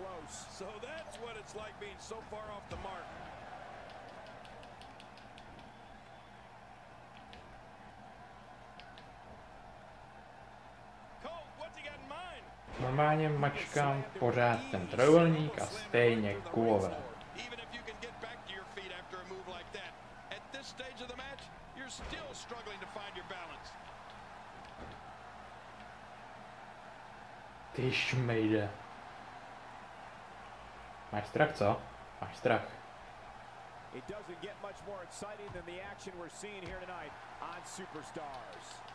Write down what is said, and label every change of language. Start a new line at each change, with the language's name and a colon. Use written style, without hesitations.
English: So that's what it's like being so far off the mark. Cole, what's he got in mind?
Czech: Normálně mačkám pořád ten trojúhelník a stejně kulové.
English: Even if you can get back to your feet after a move like that, at this stage of the match, you're still struggling to find your balance.
Czech: Ty šmejde. Máš strach, co? Máš strach.
English: It doesn't get much more exciting than the action we're seeing here tonight on Superstars.